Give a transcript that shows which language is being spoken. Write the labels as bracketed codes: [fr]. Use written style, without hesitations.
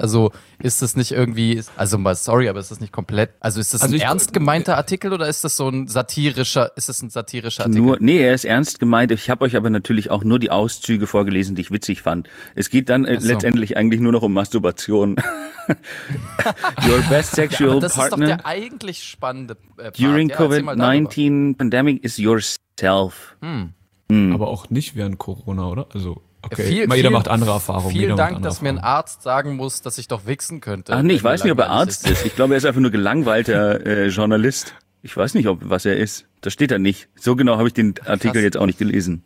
[de] Also ist das nicht irgendwie, ist das ein ernst gemeinter Artikel oder ist das ein satirischer Artikel? Er ist ernst gemeint. Ich habe euch aber natürlich auch nur die Auszüge vorgelesen, die ich witzig fand. Es geht dann letztendlich eigentlich nur noch um Masturbation. [en] Your best sexual partner. [de] Das ist doch der eigentlich spannende Part. [en] During COVID-19 pandemic is yourself. [de] Aber auch nicht während Corona, oder? Also okay, jeder macht andere Erfahrungen. Vielen Dank, dass mir ein Arzt sagen muss, dass ich doch wichsen könnte. Ach nee, ich weiß nicht, ob er Arzt ist. Ich glaube, er ist einfach nur gelangweilter Journalist. Ich weiß nicht, was er ist. Das steht da nicht. So genau habe ich den Artikel jetzt auch nicht gelesen.